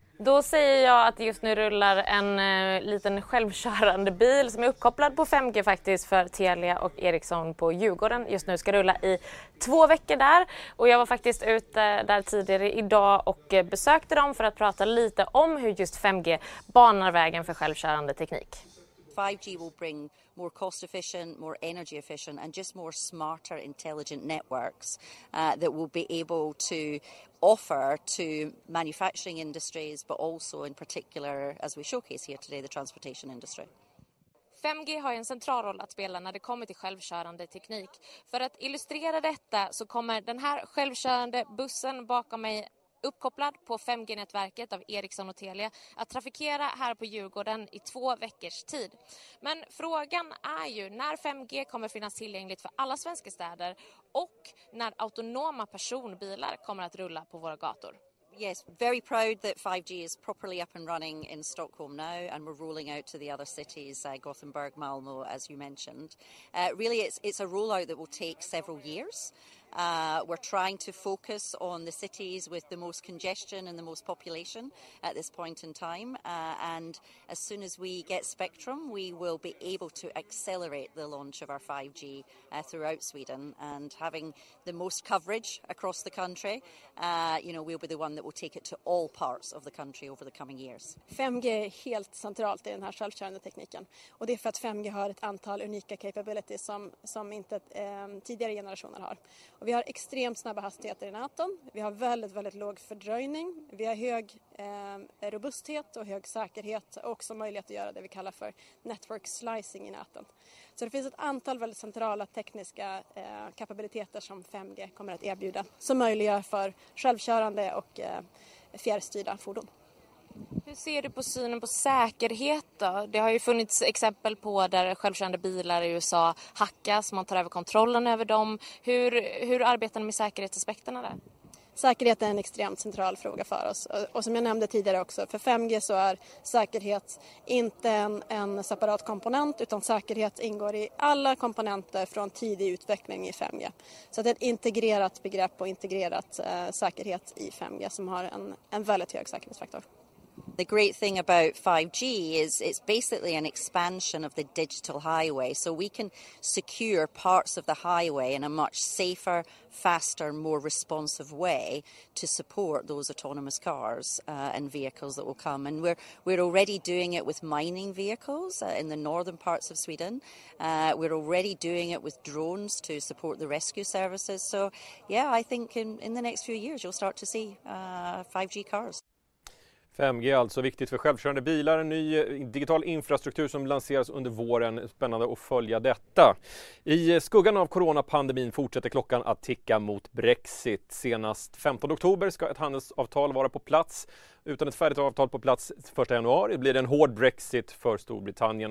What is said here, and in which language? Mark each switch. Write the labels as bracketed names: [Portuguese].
[Swedish] Då säger jag att just nu rullar en liten självkörande bil som är uppkopplad på 5G faktiskt för Telia och Ericsson på Djurgården. Just nu ska rulla i 2 veckor där och jag var faktiskt ute där tidigare idag och besökte dem för att prata lite om hur just 5G banar vägen för självkörande teknik. [English] 5G will bring more cost efficient, more energy efficient and just more smarter intelligent networks that will be able to offer to manufacturing industries but also in particular as we showcase here today the transportation industry. [Swedish] 5G har en central roll att spela när det kommer till självkörande teknik. För att illustrera detta så kommer den här självkörande bussen bakom mig uppkopplad på 5G-nätverket av Ericsson och Telia att trafikera här på Djurgården i 2 veckors tid. Men frågan är ju när 5G kommer finnas tillgängligt för alla svenska städer och när autonoma personbilar kommer att rulla på våra gator. [English] Yes, very proud that 5G is properly up and running in Stockholm now and we're rolling out to the other cities, Gothenburg, Malmö as you mentioned. Really it's a rollout that will take several years. We're trying to focus on the cities with the most congestion and the most population at this point in time. And as soon as we get spectrum, we will be able to accelerate the launch of our 5G throughout Sweden. And having the most coverage across the country, you know, we'll be the one that will take it to all parts of the country over the coming years. [Swedish] 5G är helt centralt i den här självkörande tekniken. Och det är för att 5G har ett antal unika capabilities som inte tidigare generationer har. Och vi har extremt snabba hastigheter i näten. Vi har väldigt, väldigt låg fördröjning. Vi har hög robusthet och hög säkerhet. Och också möjlighet att göra det vi kallar för network slicing i näten. Så det finns ett antal väldigt centrala tekniska kapabiliteter som 5G kommer att erbjuda. Som möjliggör för självkörande och fjärrstyrda fordon. Hur ser du på synen på säkerhet då? Det har ju funnits exempel på där självkörande bilar i USA hackas, man tar över kontrollen över dem. Hur arbetar ni med säkerhetsaspekterna där? Säkerhet är en extremt central fråga för oss. Och som jag nämnde tidigare också, för 5G så är säkerhet inte en separat komponent, utan säkerhet ingår i alla komponenter från tidig utveckling i 5G. Så det är ett integrerat begrepp och integrerat säkerhet i 5G som har en väldigt hög säkerhetsfaktor. [English] The great thing about 5G is it's basically an expansion of the digital highway. So we can secure parts of the highway in a much safer, faster, more responsive way to support those autonomous cars and vehicles that will come. And we're already doing it with mining vehicles in the northern parts of Sweden. We're already doing it with drones to support the rescue services. So, yeah, I think in the next few years you'll start to see 5G cars. [Swedish] 5G är alltså viktigt för självkörande bilar, en ny digital infrastruktur som lanseras under våren. Spännande att följa detta. I skuggan av coronapandemin fortsätter klockan att ticka mot Brexit. Senast 15 oktober ska ett handelsavtal vara på plats. Utan ett färdigt avtal på plats 1 januari blir det en hård Brexit för Storbritannien.